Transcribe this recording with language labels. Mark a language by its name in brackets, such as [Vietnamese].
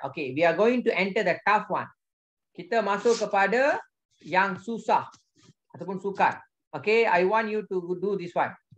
[English] Okay, we are going to enter the tough one. [Malay] Kita masuk kepada yang susah ataupun sukar. [English] Okay, I want you to do this one.